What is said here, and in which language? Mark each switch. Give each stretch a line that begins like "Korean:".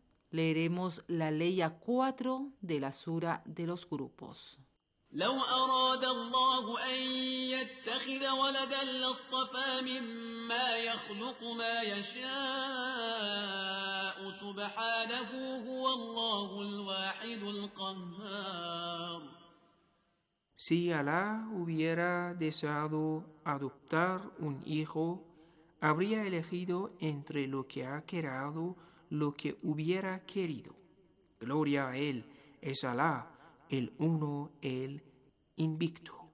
Spanish: Leeremos la ley a 4 de la sura de los grupos.
Arabic: لو أراد الله أن يتخذ ولدا لاصطفى مما يخلق ما يشاء سبحانه هو الله الواحد القهار.
Spanish: Si Alá hubiera deseado adoptar un hijo, habría elegido entre lo que ha creado lo que hubiera querido. Gloria a Él, es Alá, el Uno, el Invicto.